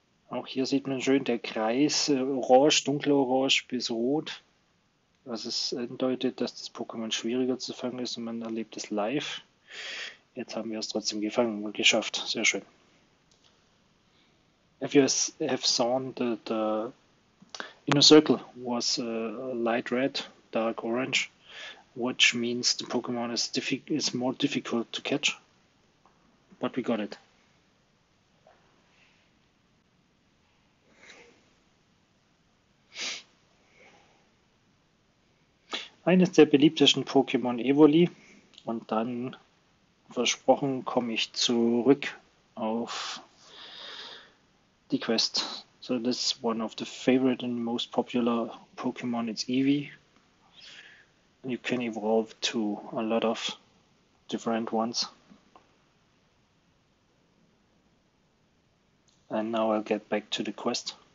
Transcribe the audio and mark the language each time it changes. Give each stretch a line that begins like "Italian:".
German: Auch hier sieht man schön der Kreis, orange, dunkelorange bis rot, was es andeutet, dass das Pokémon schwieriger zu fangen ist und man erlebt es live. Jetzt haben wir es trotzdem gefangen und geschafft. Sehr schön.
English: Have seen that the inner circle was light red, dark orange, which means the Pokémon is more difficult to catch. But we got it.
German: Eines der beliebtesten Pokémon Evoli und dann versprochen komme ich zurück auf die Quest.
English: So, this is one of the favorite and most popular Pokémon, it's Eevee. You can evolve to a lot of different ones. And now I'll get back to the quest.